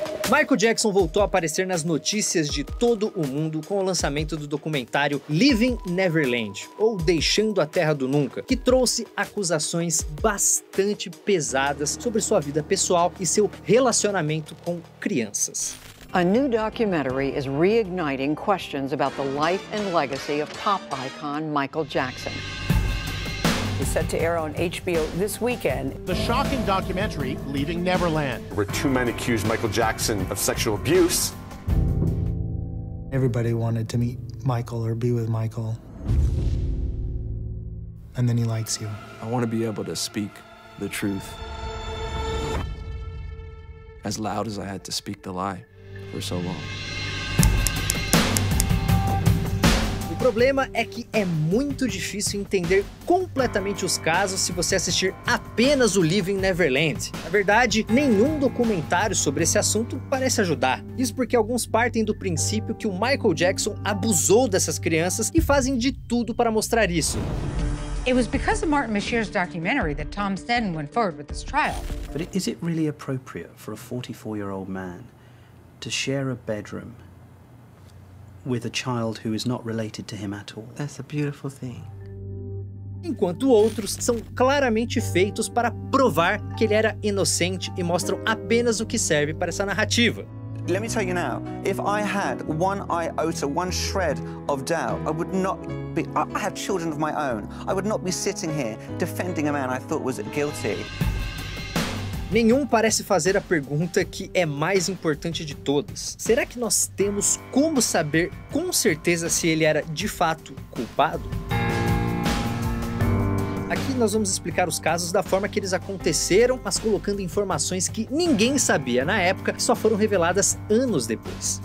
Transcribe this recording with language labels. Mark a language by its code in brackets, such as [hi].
[pt] Michael Jackson voltou a aparecer nas notícias de todo o mundo com o lançamento do documentário Leaving Neverland, ou Deixando a Terra do Nunca, que trouxe acusações bastante pesadas sobre sua vida pessoal e seu relacionamento com crianças. [en] A new documentary is reigniting questions about the life and legacy of pop icon Michael Jackson. Set to air on HBO this weekend. The shocking documentary, Leaving Neverland. Where two men accused Michael Jackson of sexual abuse. Everybody wanted to meet Michael or be with Michael. And then he likes you. I want to be able to speak the truth. As loud as I had to speak the lie for so long. [pt] O problema é que é muito difícil entender completamente os casos se você assistir apenas o Leaving Neverland. Na verdade, nenhum documentário sobre esse assunto parece ajudar. Isso porque alguns partem do princípio que o Michael Jackson abusou dessas crianças e fazem de tudo para mostrar isso. [en] It was because of Martin Mashir's documentary that Tom Snedden went forward with this trial. But is it really appropriate for a 44-year-old man to share a bedroom with a child who is not related to him at all? That's a beautiful thing. [pt] enquanto outros são claramente feitos para provar que ele era inocente e mostram apenas o que serve para essa narrativa. [en] Let me tell you now, if I had one iota, one shred of doubt, I would not be, I have children of my own, I would not be sitting here defending a man I thought was guilty. [pt] Nenhum parece fazer a pergunta que é mais importante de todas. Será que nós temos como saber com certeza se ele era de fato culpado? Aqui nós vamos explicar os casos da forma que eles aconteceram, mas colocando informações que ninguém sabia na época e só foram reveladas anos depois.